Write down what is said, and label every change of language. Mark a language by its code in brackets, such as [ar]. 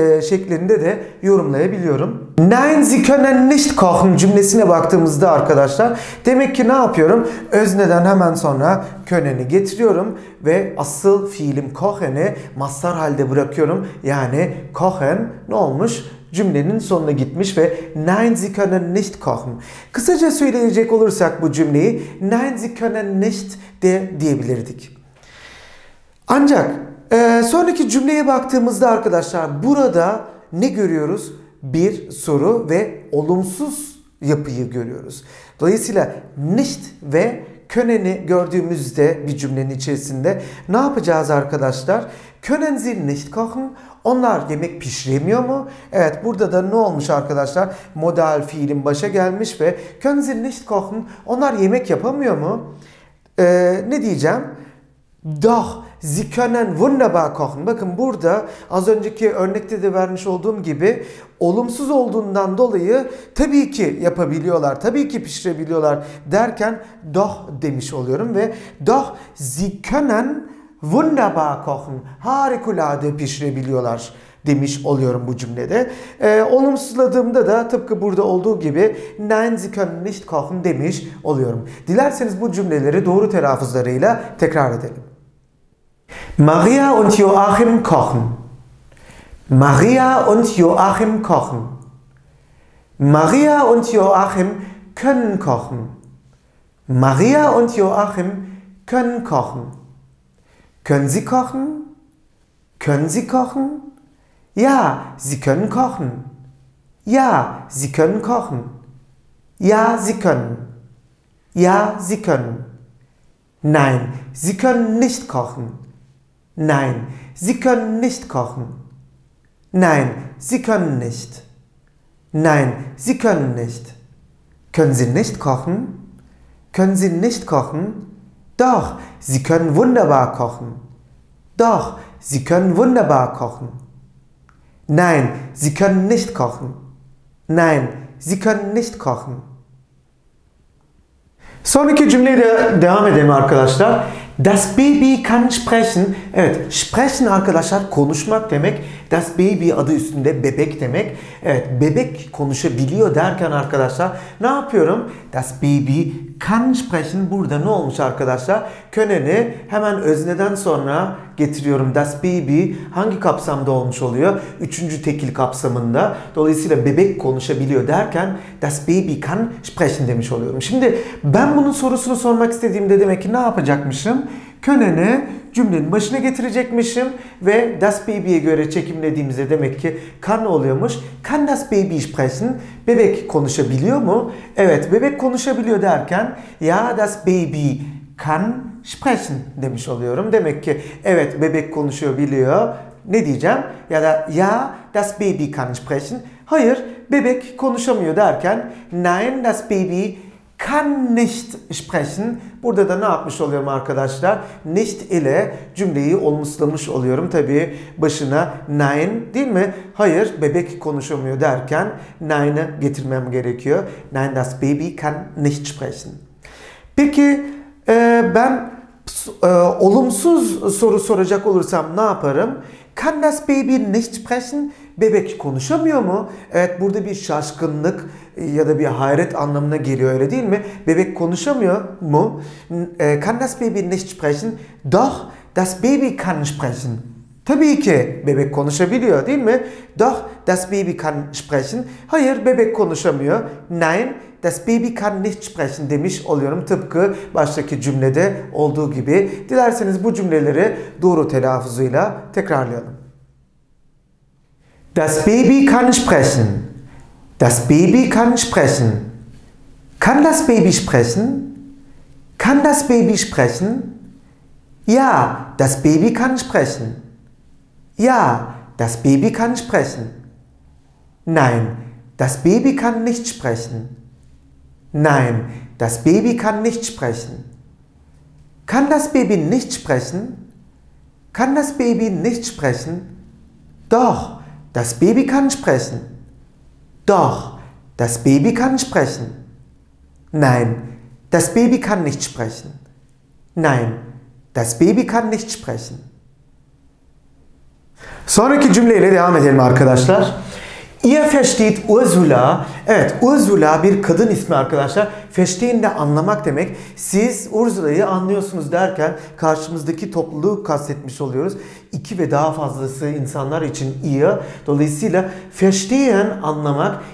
[tr] şeklinde de yorumlayabiliyorum. [de] Nein, sie können nicht kochen [tr] cümlesine baktığımızda arkadaşlar, demek ki ne yapıyorum? Özneden hemen sonra können'i getiriyorum ve asıl fiilim kochen'i mazhar halde bırakıyorum. Yani kochen ne olmuş? Cümlenin sonuna gitmiş ve [de] Nein, sie können nicht kochen. [tr] Kısaca söyleyecek olursak bu cümleyi [de] Nein, sie können nicht [tr] de diyebilirdik. Ancak sonraki cümleye baktığımızda arkadaşlar burada ne görüyoruz? Bir soru ve olumsuz yapıyı görüyoruz. Dolayısıyla nicht ve können'i gördüğümüzde bir cümlenin içerisinde ne yapacağız arkadaşlar? [de] Können sie nicht kochen? [tr] Onlar yemek pişiremiyor mu? Evet, burada da ne olmuş arkadaşlar? Modal fiilin başa gelmiş ve [de] können sie nicht kochen? [tr] Onlar yemek yapamıyor mu? Ne diyeceğim? [de] Doch, sie können wunderbar kochen. [tr] Bakın burada az önceki örnekte de vermiş olduğum gibi olumsuz olduğundan dolayı tabii ki yapabiliyorlar, tabii ki pişirebiliyorlar derken doch demiş oluyorum ve [de] doch, sie können wunderbar kochen. [tr] Harikulade pişirebiliyorlar demiş oluyorum bu cümlede. Olumsuzladığımda da tıpkı burada olduğu gibi [de] Nein, sie können nicht kochen [tr] demiş oluyorum. Dilerseniz bu cümleleri doğru telaffuzlarıyla tekrar edelim. [de] Maria und Joachim kochen. Maria und Joachim kochen. Maria und Joachim können kochen. Maria und Joachim können kochen. Können Sie kochen? Können Sie kochen? Ja, Sie können kochen. Ja, Sie können kochen. Ja, Sie können. Ja, Sie können. Nein, Sie können nicht kochen. Nein, Sie können nicht kochen. Nein, Sie können nicht. Nein, Sie können nicht. Können Sie nicht kochen? Können Sie nicht kochen? Doch, Sie können wunderbar kochen. Doch, Sie können wunderbar kochen. Nein, Sie können nicht kochen. Nein, Sie können nicht kochen. [tr] Sonraki cümleyle devam edelim arkadaşlar. [de] Das Baby kann sprechen. [tr] Evet, sprechen arkadaşlar konuşmak demek. Das Baby adı üstünde bebek demek. Evet, bebek konuşabiliyor derken arkadaşlar ne yapıyorum? [de] Das Baby kann sprechen. [tr] Burada ne olmuş arkadaşlar? Können'i hemen özneden sonra getiriyorum. Das Baby hangi kapsamda olmuş oluyor? Üçüncü tekil kapsamında. Dolayısıyla bebek konuşabiliyor derken [de] Das Baby kann sprechen [tr] demiş oluyorum. Şimdi ben bunun sorusunu sormak istediğimde demek ki ne yapacakmışım? Können'i cümlenin başına getirecekmişim ve das Baby'ye göre çekimlediğimizde demek ki kann oluyormuş. [de] Kann das Baby sprechen? [tr] Bebek konuşabiliyor mu? Evet, bebek konuşabiliyor derken [de] ja, das Baby kann sprechen [tr] demiş oluyorum. Demek ki evet, bebek konuşuyor, biliyor. Ne diyeceğim? Ya da [de] ja, das Baby kann sprechen. [tr] Hayır, bebek konuşamıyor derken [de] nein, das Baby kann nicht sprechen. [tr] Burada da ne yapmış oluyorum arkadaşlar? Nicht ile cümleyi olumsuzlamış oluyorum. Tabii başına nein, değil mi? Hayır, bebek konuşamıyor derken nein'ı getirmem gerekiyor. [de] Nein, das Baby kann nicht sprechen. [tr] Peki ben olumsuz soru soracak olursam ne yaparım? [de] Kann das Baby nicht sprechen? [tr] Bebek konuşamıyor mu? Evet, burada bir şaşkınlık ya da bir hayret anlamına geliyor, öyle değil mi? Bebek konuşamıyor mu? [de] Kann das Baby nicht sprechen? Doch, das Baby kann sprechen. [tr] Tabii ki bebek konuşabiliyor, değil mi? [de] Doch, das Baby kann sprechen. [tr] Hayır, bebek konuşamıyor. [de] Nein, das Baby kann nicht sprechen [tr] demiş oluyorum. Tıpkı baştaki cümlede olduğu gibi. Dilerseniz bu cümleleri doğru telaffuzuyla tekrarlayalım. [de] Das Baby kann sprechen. Das Baby kann sprechen. Kann das Baby sprechen? Kann das Baby sprechen? Ja, das Baby kann sprechen. Ja, das Baby kann sprechen. Nein, das Baby kann nicht sprechen. Nein, das Baby kann nicht sprechen. Kann das Baby nicht sprechen? Kann das Baby nicht sprechen? Doch, das Baby kann sprechen. Doch, das Baby kann sprechen. Nein, das Baby kann nicht sprechen. Nein, das Baby kann nicht sprechen. [tr] Sonraki cümleyle devam edelim arkadaşlar. [de] Ihr versteht Ursula. [tr] Evet, Ursula bir kadın ismi arkadaşlar. Verstehen de anlamak demek. Siz Ursula'yı anlıyorsunuz derken karşımızdaki topluluğu kastetmiş oluyoruz. İki ve daha fazlası insanlar için ihr. Dolayısıyla verstehen anlamak.